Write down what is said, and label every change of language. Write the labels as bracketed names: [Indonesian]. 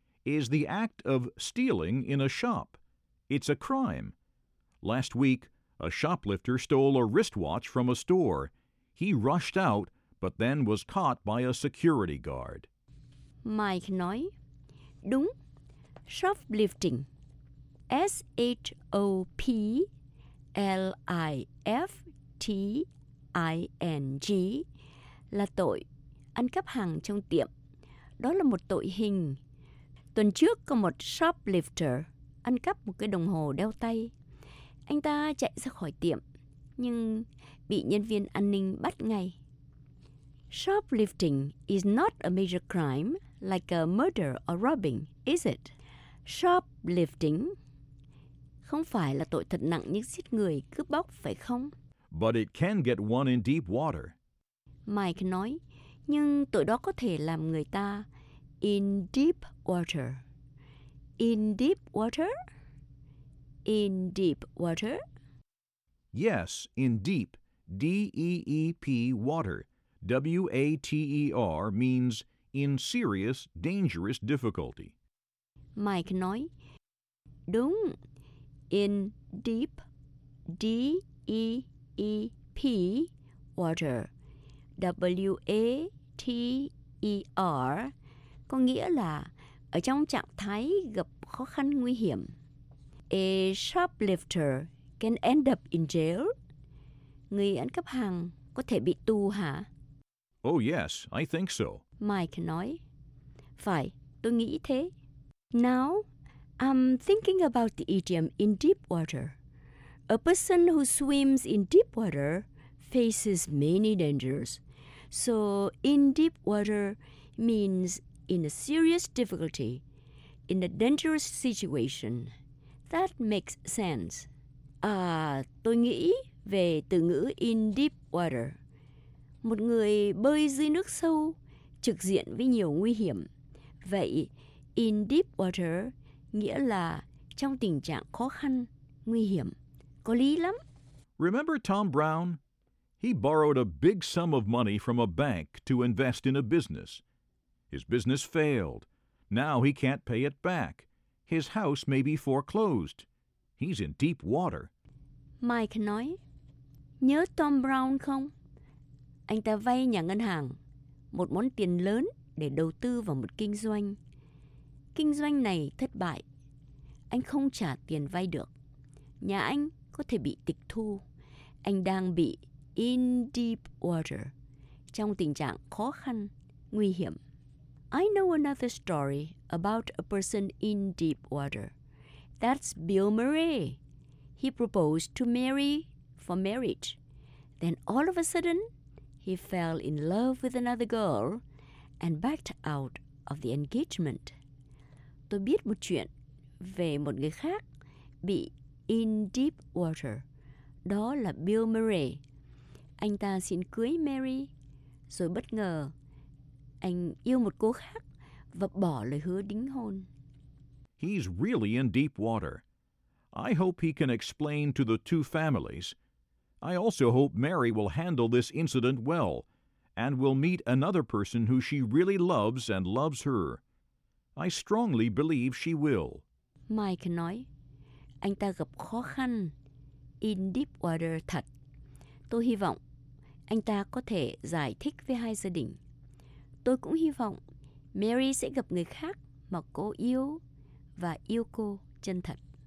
[English] Is the act of stealing in a shop. It's a crime. Last week, a shoplifter stole a wristwatch from a store. He rushed out, but then was caught by a security guard. [Vietnamese] Mike nói, đúng, shoplifting. S-H-O-P-L-I-F-T-I-N-G là tội ăn cắp hàng trong tiệm. Đó là một tội hình. Tuần trước có một shoplifter ăn cắp một cái đồng hồ đeo tay. Anh ta chạy ra khỏi tiệm, nhưng bị nhân viên an ninh bắt ngay. [English] Shoplifting is not a major crime like a murder or robbing, is it? [Vietnamese] Shoplifting không phải là tội thật nặng như giết người, cướp bóc, phải không? [English] But it can get one in deep water. [Vietnamese] Mike nói, nhưng tội đó có thể làm người ta [English] in deep water. In deep water? In deep water? Yes, in deep. D-E-E-P water. W-A-T-E-R means in serious, dangerous difficulty. [Vietnamese] Mike nói, đúng. [English] In deep, D-E-E-P water. [Vietnamese] W-A-T-E-R có nghĩa là ở trong trạng thái gặp khó khăn nguy hiểm. [English] A shoplifter can end up in jail. [Vietnamese] Người ăn cắp hàng có thể bị tù hả? [English] Oh yes, I think so. [Vietnamese] Mike nói. Phải, tôi nghĩ thế. [English] Now, I'm thinking about the idiom in deep water. A person who swims in deep water faces many dangers. So, in deep water means in a serious difficulty, in a dangerous situation. That makes sense. [Vietnamese] À, tôi nghĩ về từ ngữ [English] in deep water. [Vietnamese] Một người bơi dưới nước sâu, trực diện với nhiều nguy hiểm. Vậy, [English] in deep water [Vietnamese] nghĩa là trong tình trạng khó khăn, nguy hiểm. Có lý lắm. [English] Remember Tom Brown? He borrowed a big sum of money from a bank to invest in a business. His business failed. Now he can't pay it back. His house may be foreclosed. He's in deep water. [Vietnamese] Mike nói, nhớ Tom Brown không? Anh ta vay nhà ngân hàng một món tiền lớn để đầu tư vào một kinh doanh. Kinh doanh này thất bại. Anh không trả tiền vay được. Nhà anh có thể bị tịch thu. Anh đang bị [English] in deep water, [Vietnamese] trong tình trạng khó khăn, nguy hiểm. [English] I know another story about a person in deep water. That's Bill Murray. He proposed to Mary for marriage. Then all of a sudden, he fell in love with another girl and backed out of the engagement. [Vietnamese] Tôi biết một chuyện về một người khác bị [English] in deep water. [Vietnamese] Đó là Bill Murray. Anh ta xin cưới Mary, rồi bất ngờ anh yêu một cô khác và bỏ lời hứa đính hôn. [English] He's really in deep water. I hope he can explain to the two families. I also hope Mary will handle this incident well and will meet another person who she really loves and loves her. I strongly believe she will. [Vietnamese] Mike nói, anh ta gặp khó khăn, [English] in deep water [Vietnamese] thật. Tôi hy vọng anh ta có thể giải thích với hai gia đình. Tôi cũng hy vọng Mary sẽ gặp người khác mà cô yêu và yêu cô chân thật.